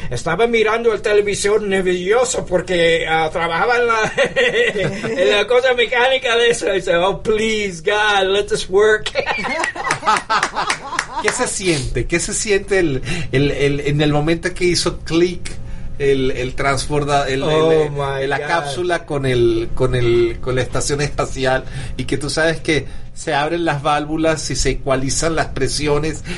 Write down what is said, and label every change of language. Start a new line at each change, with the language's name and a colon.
Spanish: Estaba mirando el televisor nervioso porque trabajaba en la cosa mecánica de eso. Y dice,
English: oh, please, God, let this work.
Spanish: ¿Qué se siente? ¿Qué se siente el en el momento que hizo click el transbordador, la cápsula con la estación espacial, y que tú sabes que se abren las válvulas y se ecualizan las presiones?